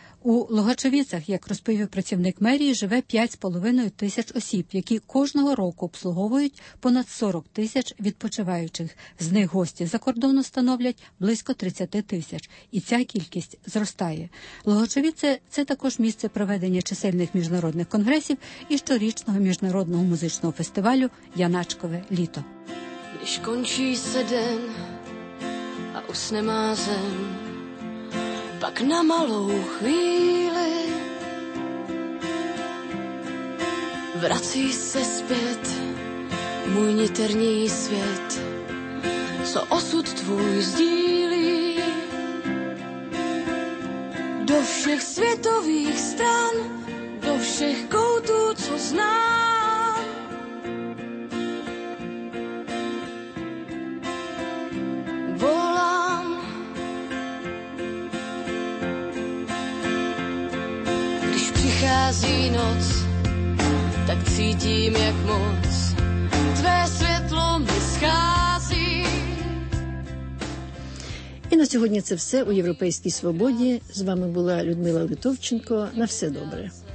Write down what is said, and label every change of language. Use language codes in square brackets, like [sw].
[uk] У Лугачовіцях, як розповів працівник мерії, живе 5,5 тисяч осіб, які кожного року обслуговують понад 40 тисяч відпочиваючих. З них гості за кордону становлять близько 30 тисяч. І ця кількість зростає. Лугачовіце – це також місце проведення чисельних міжнародних конгресів і щорічного міжнародного музичного фестивалю «Яначкове літо». [cs] Když končí se den a usne má zem, pak na malou chvíli vrací se zpět můj niterní svět, co osud tvůj sdílí. Do všech světových stran, do všech koutů, co znám. Volám. Když přichází noc, tak cítím, jak moc tvé světlo mi schází. [uk] І на сьогодні це все у Європейській Свободі. З вами була Людмила Литовченко. На все добре.